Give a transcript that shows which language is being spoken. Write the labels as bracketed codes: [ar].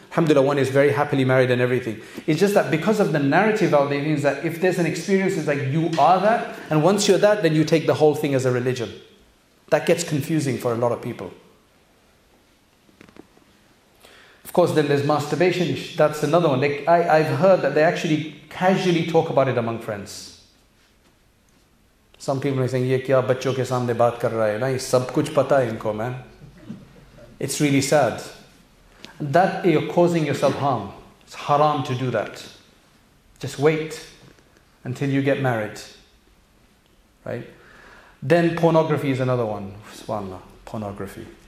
[en] Alhamdulillah, one is very happily married and everything. It's just that because of the narrative out there, it means that if there's an experience, it's like you are that, and once you're that, then you take the whole thing as a religion. That gets confusing for a lot of people. Of course, then there's masturbation. That's another one. I've heard that they actually casually talk about it among friends. Some people are saying, [ur] "یہ کیا بچوں کے سامنے بات کر رہا ہے؟ نہیں، سب کچھ پتا ہے انکو، مین۔" [en] It's really sad. That you're causing yourself harm. It's haram to do that. Just wait until you get married. Right? Then pornography is another one. SubhanAllah, pornography.